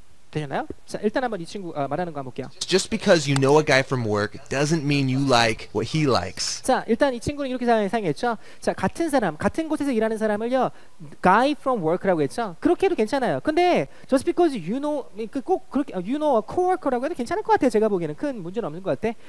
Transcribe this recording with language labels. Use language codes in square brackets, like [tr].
[ko] 되셨나요? 자, 일단 한번 이 친구 말하는 거 한번 볼게요. [en] Just because you know a guy from work doesn't mean you like what he likes. [ko] 자, 일단 이 친구는 이렇게 사용했죠. 자, 같은 사람, 같은 곳에서 일하는 사람을요, [en] guy from work [ko] 라고 했죠. 그렇게 해도 괜찮아요. 근데 [en] just because you know, [ko] 꼭 그렇게 [en] you know a coworker [ko] 라고 해도 괜찮을 것 같아요. 제가 보기에는 큰 문제는 없는 것 같아.